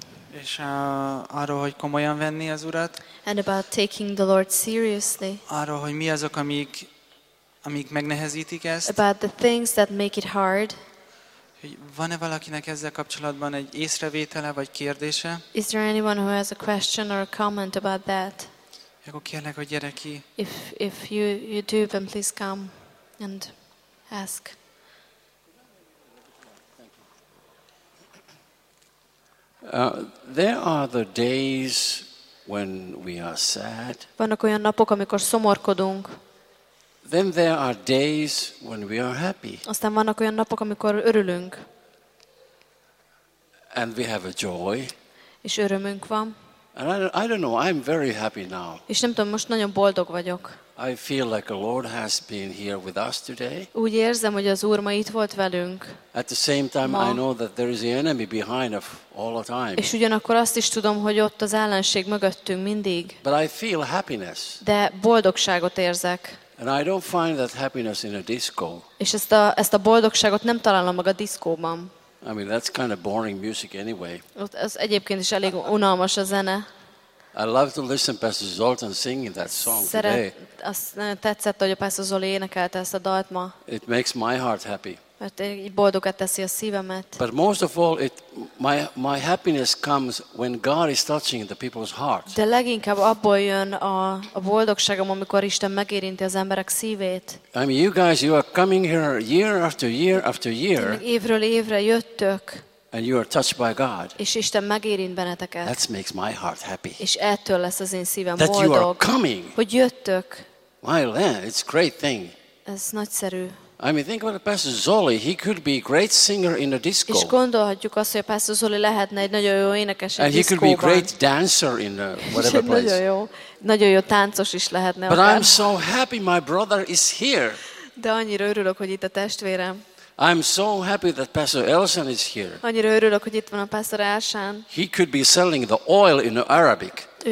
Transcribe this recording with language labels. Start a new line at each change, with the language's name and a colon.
Hungarian: És arról, hogy komolyan venni az Urat.
English: And about taking the Lord seriously.
Hungarian: Arról, hogy mi azok, amik megnehezítik ezt.
English: About the things that make it hard.
Hungarian: Hogy van-e valakinek ezzel kapcsolatban egy észrevétele vagy kérdése?
English: Is there anyone who has a question or a comment about that?
Hungarian: Akkor kérlek, hogy gyere ki.
English: If you do, then please come and ask. There are the days when we are sad.
Hungarian: Vannak olyan napok, amikor szomorkodunk.
English: Then there are days when we are happy.
Hungarian: Aztán vannak olyan napok, amikor örülünk.
English: And we have a joy.
Hungarian: És örömünk van.
English: And I don't know, I'm very happy now.
Hungarian: És nem tudom, most nagyon boldog vagyok.
English: I feel like the Lord has been here with us today.
Hungarian: Úgy érzem, hogy az Úr ma itt volt velünk.
English: At the same time
Hungarian: ma.
English: I know that there is the enemy behind us all the time.
Hungarian: És ugyanakkor azt is tudom, hogy ott az ellenség mögöttünk mindig.
English: But I feel happiness.
Hungarian: De boldogságot érzek.
English: And I don't find that happiness in a disco.
Hungarian: És ezt a boldogságot nem találom meg a diszkóban.
English: I mean that's kind of boring music anyway.
Hungarian: Ez egyébként is elég unalmas a zene.
English: I love to listen to Pastor Zoltán singing that song today.
Hungarian: Azt tetszett, hogy a Pastor Zoli énekelte ezt a dalt ma.
English: It makes my heart happy.
Hungarian: Mert így boldogat teszi a szívemet.
English: But most of all, my happiness comes when God is touching the people's heart.
Hungarian: De leginkább abból jön a boldogságom, amikor Isten megérinti az emberek szívét.
English: I mean, you guys, you are coming here year after year after year.
Hungarian: Évről évre jöttök.
English: And you are touched by God.
Hungarian: És Isten megérint benneteket.
English: That makes my heart happy.
Hungarian: És ettől lesz az én szívem
English: that
Hungarian: boldog.
English: You are coming.
Hungarian: Hogy jöttök.
English: Well, yeah, it's a great thing.
Hungarian: Ez nagyszerű.
English: I mean, think about Pastor Zoli. He could be a great singer in a disco.
Hungarian: És gondolhatjuk azt, hogy Pastor Zoli lehetne egy nagyon jó énekes egy
English: And he could be a great dancer in a whatever place.
Hungarian: Nagyon jó táncos is lehetne.
English: But I'm so happy my brother is here.
Hungarian: De annyira örülök, hogy itt a testvérem.
English: I'm so happy that Pastor Elsan is here.
Hungarian: Annyira örülök, hogy itt van a Pastor Elsan.
English: He could be selling the oil in Arabic.